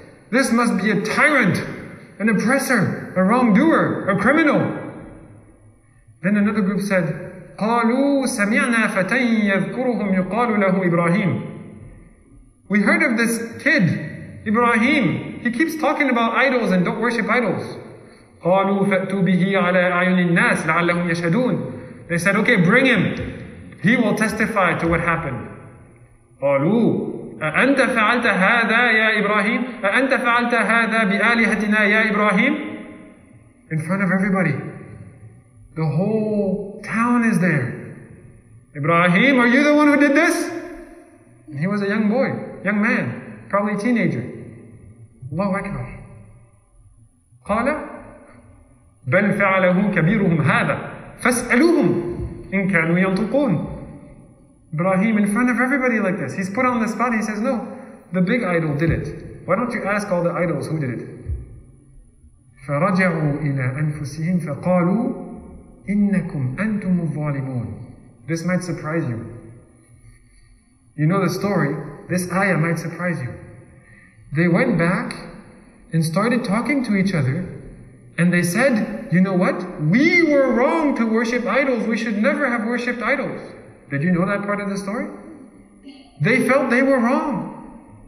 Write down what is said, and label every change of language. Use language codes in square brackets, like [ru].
[en] This must be a tyrant, an oppressor, a wrongdoer, a criminal. Then another group said, [ar] قَالُوا سَمِعْنَا فَتَيْنْ يَذْكُرُهُمْ يُقَالُ لَهُ إِبْرَاهِيمُ [en] We heard of this kid, Ibrahim. He keeps talking about idols and don't worship idols. [ar] قَالُوا فَأْتُوا بِهِ عَلَىٰ أَعْيُنِ النَّاسِ لَعَلَّهُمْ يَشْهَدُونَ [en] They said, okay, bring him. He will testify to what happened. [ar] قَالُوا أَأَنْتَ فَعَلْتَ هَذَا يَا إِبْرَاهِيمُ أَأَنْتَ فَعَلْتَ هَذَا بِآلِهَتِنَا يَا إِبْرَاهِيمُ [en] In front of everybody. The whole town is there. Ibrahim, are you the one who did this? And he was a young boy, young man, probably a teenager. [ar] الله أكبر قال بل فعله كبيرهم هذا فاسألوهم إِن كَانُوا يَنْطُقُونَ [en] Ibrahim, in front of everybody like this, he's put on the spot, he says, no, the big idol did it. Why don't you ask all the idols who did it? [ar] فَرَجَعُوا إِلَىٰ أَنفُسِهِمْ فَقَالُوا إِنَّكُمْ أَنْتُمُ الظَّالِمُونَ [en] This might surprise you. You know the story, this ayah might surprise you. They went back and started talking to each other, and they said, you know what? We were wrong to worship idols. We should never have worshipped idols. Did you know that part of the story? They felt they were wrong.